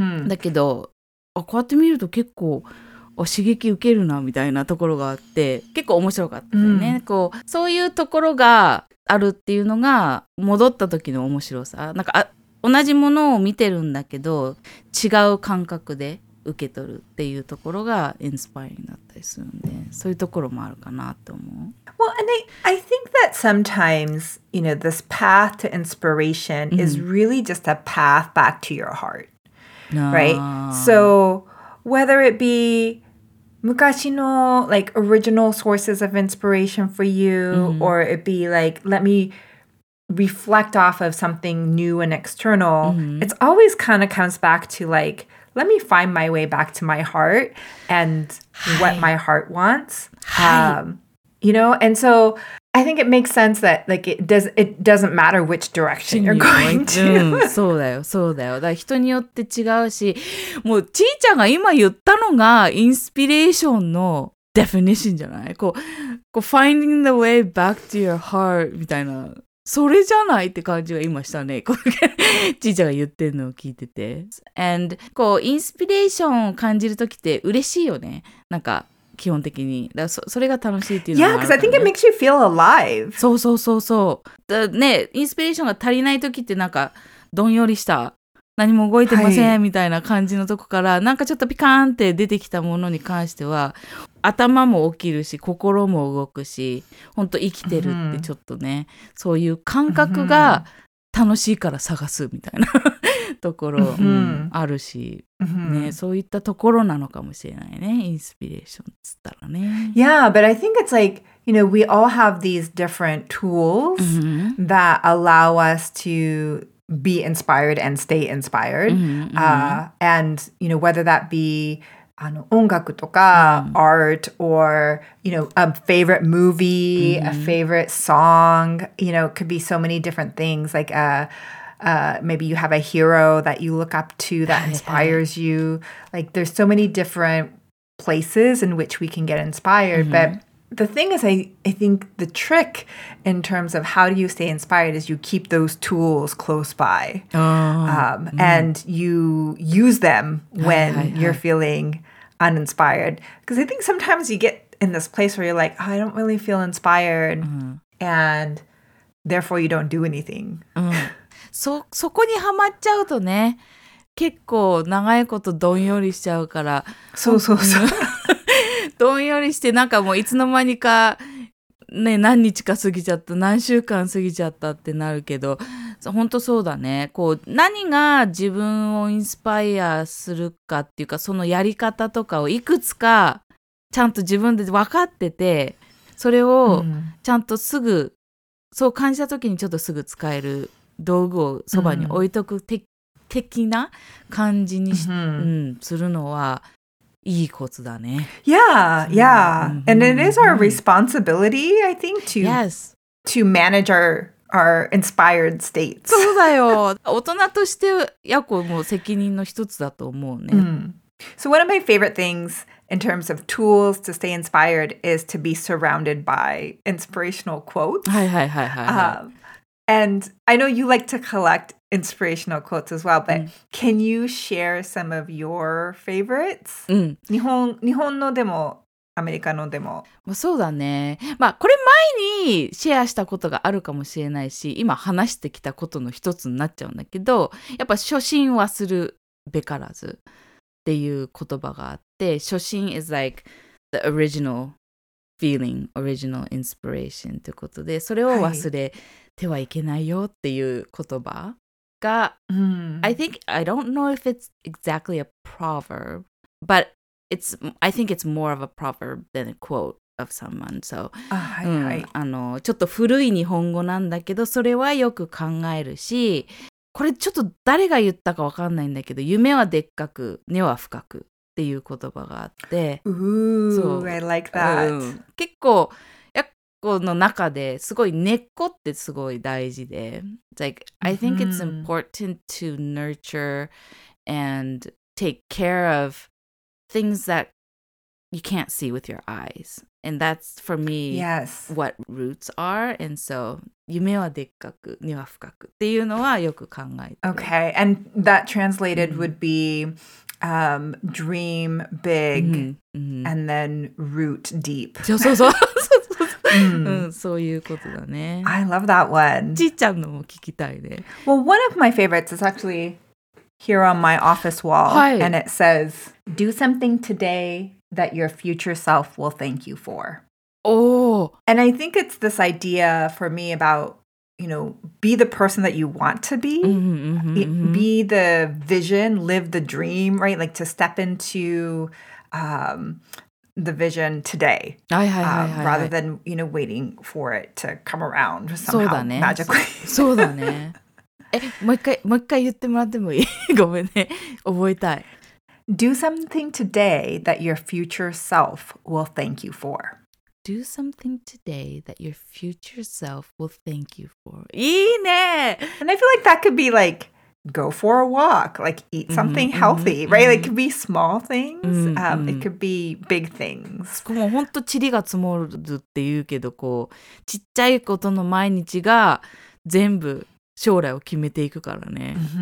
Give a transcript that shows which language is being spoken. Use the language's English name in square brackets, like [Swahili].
[Japanese] だけど、あ、こうやって見ると結構刺激受けるなみたいなところがあって、結構面白かったよね、こうそういうところがあるっていうのが戻った時の面白さ、なんか同じものを見てるんだけど違う感覚で受け取るっていうところがインスパイリングだったりするんで、そういうところもあるかなと思う。 [English] Well, and I think that sometimes, you know, this path to inspiration is really just a path back to your heart, right? So,whether it be 昔の like original sources of inspiration for you, or it be like, let me reflect off of something new and external, it's always kind of comes back to like, let me find my way back to my heart and what my heart wants, you know? And so I think it makes sense that like, it doesn't matter which direction you're going to. [Japanese] そうだよ、そうだよ。だから人によって違うし、もうちーちゃんが今言ったのがインスピレーションの definition じゃない？こう、こう [English] finding the way back to your heart [Japanese] みたいな、それじゃないって感じが今したね。ちいちゃんが言ってるのを聞いてて。And こうインスピレーションを感じるときって嬉しいよね。なんか基本的に。だから それが楽しいっていうのもあるからね。 [English] Yeah, because I think it makes you feel alive. [Japanese] そうそうそうそう。だね、インスピレーションが足りないときってなんかどんよりした。何も動いてませんみたいな感じのとこから、はい、なんかちょっとピカーンって出てきたものに関しては頭も起きるし心も動くし本当生きてるってちょっとね、うん、そういう感覚が楽しいから探すみたいなところ、うんうん、あるし、うんね、そういったところなのかもしれないねインスピレーションつったらね [English] Yeah, but I think it's like you know we all have these different tools、うん、that allow us toBe inspired and stay inspired. Mm-hmm. And, you know, whether that be [Japanese] 音楽とか [English] art or, you know, a favorite movie, a favorite song, you know, it could be so many different things. Like maybe you have a hero that you look up to that inspires you. Like there's so many different places in which we can get inspired. Mm-hmm. But the thing is, I think the trick in terms of how do you stay inspired is you keep those tools close by. Oh, And you use them when you're feeling uninspired. Because I think sometimes you get in this place where you're like, oh, I don't really feel inspired. Mm-hmm. And therefore you don't do anything. [Japanese] そこにハマっちゃうとね、結構長いことどんよりしちゃうから。そうそうそう。どんよりしてなんかもういつの間にかね何日か過ぎちゃった何週間過ぎちゃったってなるけど本当そうだねこう何が自分をインスパイアするかっていうかそのやり方とかをいくつかちゃんと自分で分かっててそれをちゃんとすぐ、うん、そう感じた時にちょっとすぐ使える道具をそばに置いとく、うん、的な感じに、うんうん、するのはいいコツだね。 [English] Yeah, yeah. And it is our responsibility, I think, to, yes. to manage our inspired states. [Japanese] そうだよ。大人としてやこも責任の一つだと思うね。 [English] Mm. So one of my favorite things in terms of tools to stay inspired is to be surrounded by inspirational quotes. [Japanese] はいはいはいはい、はい。 [English] And I know you like to collect inspirational quotes as well, but、うん、can you share some of your favorites? [Japanese] うん。日本のでも、アメリカのでも。まあ、そうだね。まあ、これ前にシェアしたことがあるかもしれないし、今話してきたことの一つになっちゃうんだけど、やっぱ初心はするべからずっていう言葉があって、初心 [English] is like the original feeling, original inspiration [Japanese] ということで、それを忘れ、はい手はいけないよっていう言葉が、 mm. [English] I think, I don't know if it's exactly a proverb, but it's, I think it's more of a proverb than a quote of someone. So,、 [Japanese] はいはいうん、あのちょっと古い日本語なんだけど、それはよく考えるし、これちょっと誰が言ったかわかんないんだけど、夢はでっかく、根は深くっていう言葉があって。 [English] Ooh, そう、I like that.、うん、 [Japanese] 結構、この中ですごい根っこってすごい大事で [English] like, I think it's important to nurture and take care of things that you can't see with your eyes. And that's for me、 yes. what roots are. [Japanese] And so 夢はでっかく、根は深くっていうのはよく考えて [English] Okay, and that translated、mm-hmm. would be、dream big、mm-hmm. and then root deep. [Japanese] そうそうそう。 Mm. うん、そういうことだね。 [English] I love that one. [Japanese] ちいちゃんのも聞きたいね。 [English] Well, one of my favorites is actually here on my office wall. [Japanese] はい。 [English] And it says, do something today that your future self will thank you for. Oh! And I think it's this idea for me about, you know, be the person that you want to be. Mm-hmm, mm-hmm. Be the vision, live the dream, right? Like to step into... the vision today, rather than, you know, waiting for it to come around somehow, [Japanese] そうだね、 [English] magically. [Japanese] そうだね。もう一回言ってもらってもいい？ごめんね。覚えたい。 [English] Do something today that your future self will thank you for. Do something today that your future self will thank you for. [Japanese] いいね。 [English] And I feel like that could be like go for a walk, like eat something healthy, right? Like it could be small things, it could be big things. [Japanese] もう本当チリが積もるって言うけど、こうちっちゃいことの毎日が全部将来を決めていくからね。